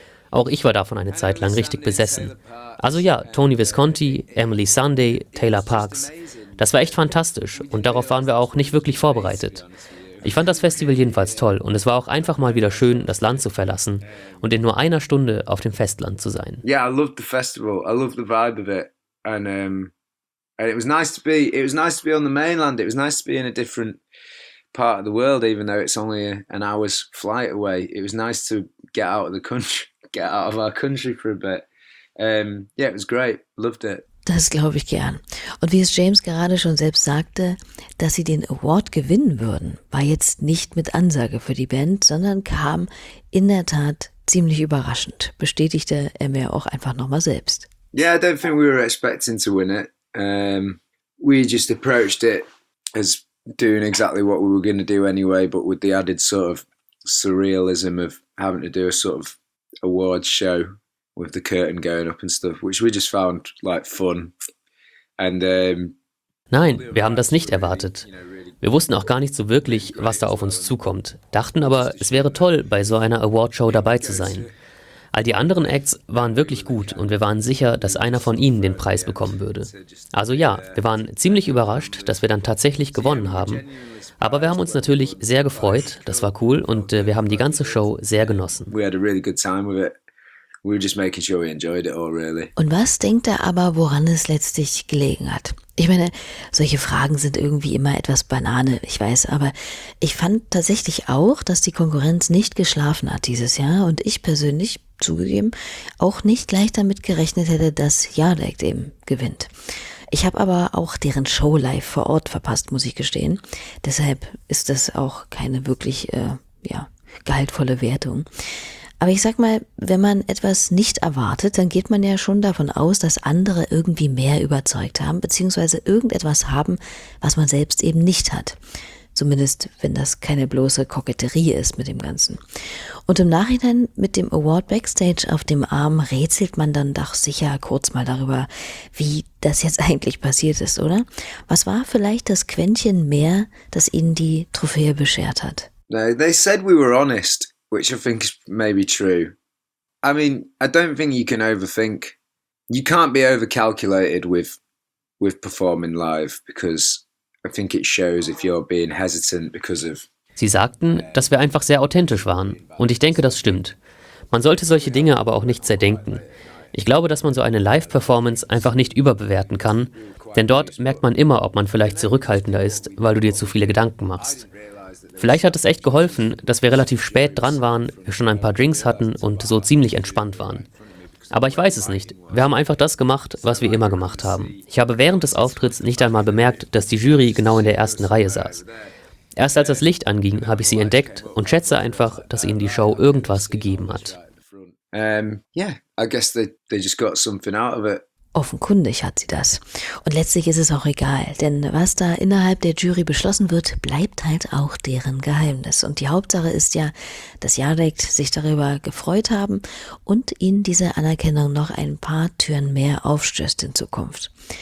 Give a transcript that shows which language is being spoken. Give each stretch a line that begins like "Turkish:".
German: Auch ich war davon eine Zeit lang richtig besessen. Also ja, Tony Visconti, Emily Sunday, Taylor Parks. Das war echt fantastisch und darauf waren wir auch nicht wirklich vorbereitet. Ich fand das Festival jedenfalls toll und es war auch einfach mal wieder schön, das Land zu verlassen und in nur einer Stunde auf dem Festland zu sein.
English: Yeah, I loved the festival. I loved the vibe of it. And it was nice to be on the mainland. It was nice to be in a different part of the world, even though it's only an hour's flight away. It was nice to get out of the country, get out of our country for a bit. Yeah, it was great. Loved it.
German: Das glaube ich gern. Und wie es James gerade schon selbst sagte, dass sie den Award gewinnen würden, war jetzt nicht mit Ansage für die Band, sondern kam in der Tat ziemlich überraschend, bestätigte er mir auch einfach nochmal selbst.
English: Yeah, I don't think we were expecting to win it. We just approached it as doing exactly what we were going to do anyway, but with the added sort of surrealism of having to do a sort of awards show. With the curtain going up and stuff, which we just found like fun. And,
German: Nein, wir haben das nicht erwartet. Wir wussten auch gar nicht so wirklich, was da auf uns zukommt. Dachten aber, es wäre toll, bei so einer Awardshow dabei zu sein. All die anderen Acts waren wirklich gut und wir waren sicher, dass einer von ihnen den Preis bekommen würde. Also ja, wir waren ziemlich überrascht, dass wir dann tatsächlich gewonnen haben. Aber wir haben uns natürlich sehr gefreut, das war cool und wir haben die ganze Show sehr genossen.
English: We had a really good time with it. We were just making sure we enjoyed it all, really.
German: Und was denkt er aber, woran es letztlich gelegen hat? Ich meine, solche Fragen sind irgendwie immer etwas Banane, ich weiß, aber ich fand tatsächlich auch, dass die Konkurrenz nicht geschlafen hat dieses Jahr und ich persönlich, zugegeben, auch nicht gleich damit gerechnet hätte, dass Yardact eben gewinnt. Ich habe aber auch deren Show live vor Ort verpasst, muss ich gestehen. Deshalb ist das auch keine wirklich gehaltvolle Wertung. Aber ich sag mal, wenn man etwas nicht erwartet, dann geht man ja schon davon aus, dass andere irgendwie mehr überzeugt haben, beziehungsweise irgendetwas haben, was man selbst eben nicht hat. Zumindest, wenn das keine bloße Koketterie ist mit dem Ganzen. Und im Nachhinein mit dem Award Backstage auf dem Arm rätselt man dann doch sicher kurz mal darüber, wie das jetzt eigentlich passiert ist, oder? Was war vielleicht das Quäntchen mehr, das ihnen die Trophäe beschert hat?
English: They said we were honest. Which I think is maybe true. I mean, I don't think you can overthink. You can't be overcalculated with performing live, because I think it shows if you're being hesitant because of.
German: Sie sagten, dass wir einfach sehr authentisch waren, und ich denke, das stimmt. Man sollte solche Dinge aber auch nicht zerdenken. Ich glaube, dass man so eine Live-Performance einfach nicht überbewerten kann, denn dort merkt man immer, ob man vielleicht zurückhaltender ist, weil du dir zu viele Gedanken machst. Vielleicht hat es echt geholfen, dass wir relativ spät dran waren, wir schon ein paar Drinks hatten und so ziemlich entspannt waren. Aber ich weiß es nicht. Wir haben einfach das gemacht, was wir immer gemacht haben. Ich habe während des Auftritts nicht einmal bemerkt, dass die Jury genau in der ersten Reihe saß. Erst als das Licht anging, habe ich sie entdeckt und schätze einfach, dass ihnen die Show irgendwas gegeben hat.
English: Yeah, I guess they just got something out of it.
German: Offenkundig hat sie das. Und letztlich ist es auch egal, denn was da innerhalb der Jury beschlossen wird, bleibt halt auch deren Geheimnis. Und die Hauptsache ist ja, dass Yardact sich darüber gefreut haben und ihnen diese Anerkennung noch ein paar Türen mehr aufstößt in Zukunft.